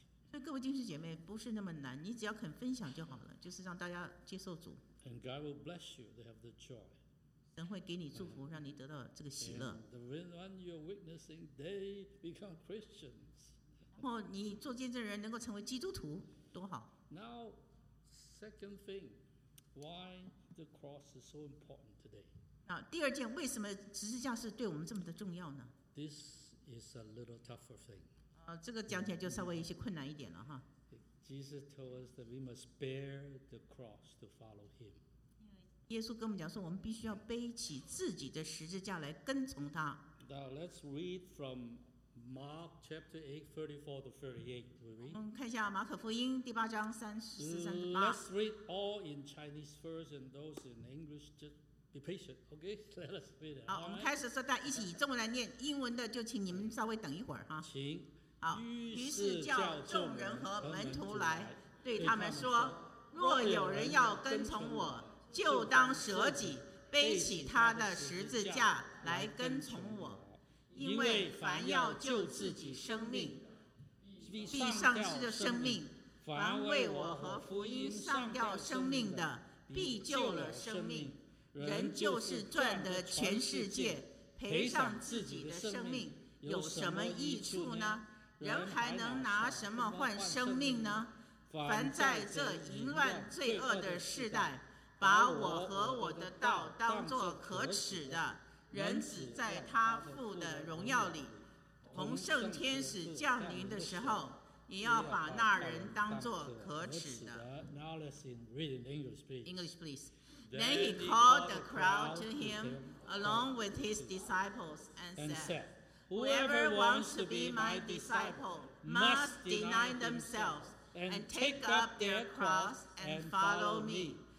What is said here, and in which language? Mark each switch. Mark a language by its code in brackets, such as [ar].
[zh] 所以各位弟兄姐妹不是那么难，你只要肯分享就好了，就是让大家接受主。 [en] And God will bless you to have the joy. [zh] 神会给你祝福，让你得到这个喜乐。 [en] The reason you're witnessing, they become Christians. [zh] 然后你做见证人能够成为基督徒，多好。 [en] Now, second thing, why the cross is so important today? [zh] 第二件，为什么十字架是对我们这么的重要呢？ [en] This is a little tougher thing. [zh] 这个讲起来就稍微一些困难一点了哈。 [en] Jesus told us that we must bear the cross to follow him. [zh] 耶稣跟我们讲说，我们必须要背起自己的十字架来跟从他。 [en] Now let's read from Mark chapter 8:34-38. [zh] 我们看一下马可福音第八章34-38。 [en] Let's read all in Chinese first and those in English just be patient, okay? Let us read it. [zh] 好，我们开始说，大家一起以中文来念，英文的就请你们稍微等一会儿哈。请。好。于是叫众人和门徒来，对他们说：若有人要跟从我，就当舍己，背起他的十字架来跟从我。因为凡要救自己生命，必丧失的生命； 凡为我和福音丧掉生命的，必救了生命。人就是赚得全世界，赔上自己的生命，有什么益处呢？人还能拿什么换生命呢？凡在这淫乱罪恶的世代，把我和我的道当作可耻的，人子在他父的荣耀里同圣天使降临的时候，也要把那人当作可耻的。 [en] Now let's read in English, please. English, please. Then he called the crowd to him along with his disciples and said, "Whoever wants to be my disciple must deny themselves and take up their cross and follow me.